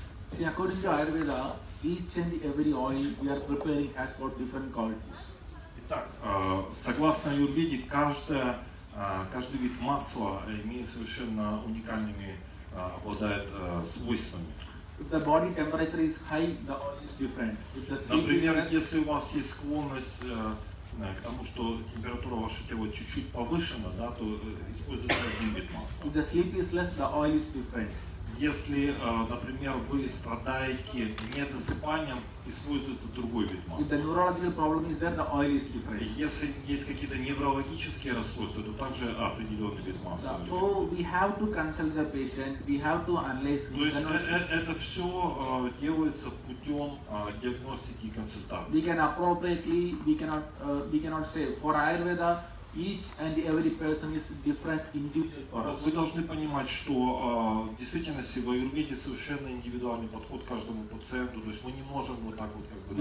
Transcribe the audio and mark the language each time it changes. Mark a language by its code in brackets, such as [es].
[en] See, according to Ayurveda, each and every oil we are preparing has got different qualities. [ru] Итак, согласно Аюрведе, каждый вид масла имеет совершенно уникальными, обладает свойствами. [en] If the body temperature is high, the oil is different. If the [ru] Например, если у вас есть склонность к тому, что температура вашего тела чуть-чуть повышена, да, то используйте один вид масла. [en] If the sleep is less, the oil is different. [ru] Если, например, вы страдаете недосыпанием, используйте другой вид масла. [en] If the neurological problem is there, the oil is different. [ru] Если есть какие-то неврологические расстройства, то также определенный вид масла. Да. [en] So we have to consult the patient, we have to analyze. [ru] То есть это все делается путем диагностики и консультации. [en] We can appropriately, we cannot say for Ayurveda. Each and every person is different individual for us. [ru] Вы должны понимать, что в действительности в Аюрведе совершенно индивидуальный подход к каждому пациенту. То есть мы не можем вот так вот как бы...